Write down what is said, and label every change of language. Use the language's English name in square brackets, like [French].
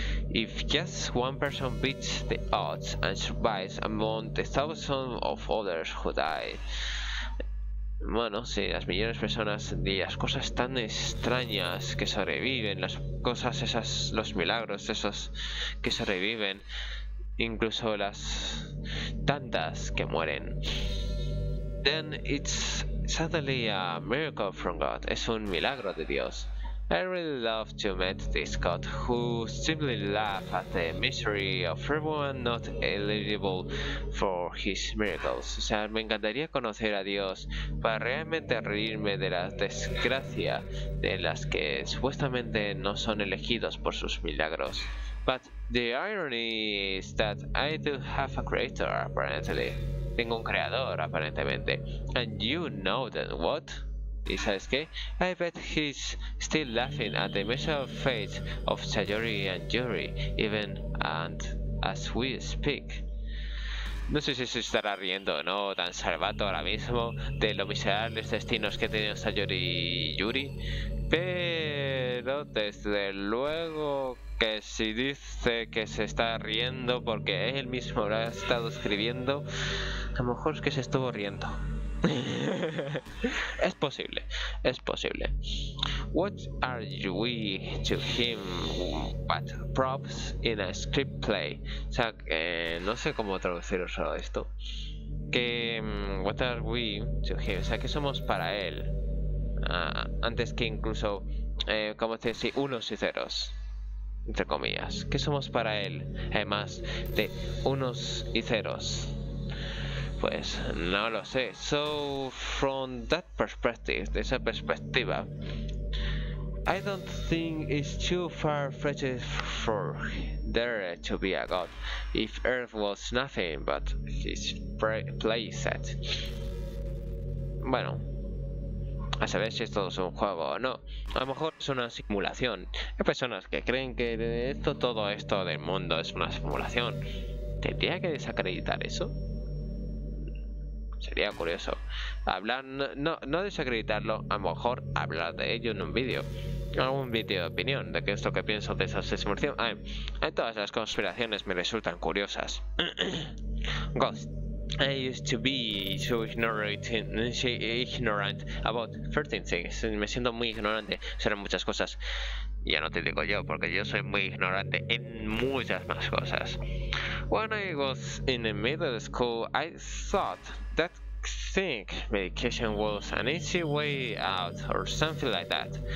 [English] If just one person beats the odds and survives among the thousands of others who die. [Spanish] Bueno, si las millones de personas y las cosas tan extrañas que sobreviven, las cosas esas, los milagros esos que sobreviven, incluso las tantas que mueren. [English] Then it's suddenly a miracle from God. [Spanish] Es un milagro de Dios. [English] I really love to meet this God who simply laughs at the misery of everyone not eligible for his miracles. [Spanish] O sea, me encantaría conocer a Dios para realmente reírme de la desgracia de las que supuestamente no son elegidos por sus milagros. [English] But the irony is that I do have a creator, apparently. [Spanish] Tengo un creador, aparentemente. [English] And you know that what? [Spanish] ¿Y sabes qué? [English] I bet he's still laughing at the measure of fate of Sayori and Yuri, even and as we speak. [Spanish] No sé si se estará riendo o no, tan salvato ahora mismo, de los miserables destinos que tienen Sayori y Yuri, pero desde luego que si dice que se está riendo porque él mismo lo ha estado escribiendo, a lo mejor es que se estuvo riendo. Es posible, es posible. [English] What are we to him but props in a script play? [Spanish] O sea, no sé cómo traducir solo esto. Que [English] what are we to him? [Spanish] O sea, que somos para él. Antes que incluso, como te decía, unos y ceros, entre comillas. ¿Qué somos para él? Además de unos y ceros. Pues no lo sé. [English] So from that perspective, [Spanish] de esa perspectiva, [English] I don't think it's too far-fetched for there to be a god if Earth was nothing but his playset. [Spanish] Bueno, a saber si esto es un juego o no. A lo mejor es una simulación. Hay personas que creen que esto, todo esto del mundo es una simulación. ¿Tendría que desacreditar eso? Sería curioso hablar, no desacreditarlo, a lo mejor hablar de ello en un vídeo, algún vídeo de opinión de qué es lo que pienso de esas simulaciones. En todas las conspiraciones me resultan curiosas. Ghost. [English] I used to be so ignorant about certain things. [Spanish] Me siento muy ignorante sobre muchas cosas. Ya no te digo yo, porque yo soy muy ignorante en muchas más cosas. [English] When I was in the middle school, I thought that think medication was an easy way out or something like that.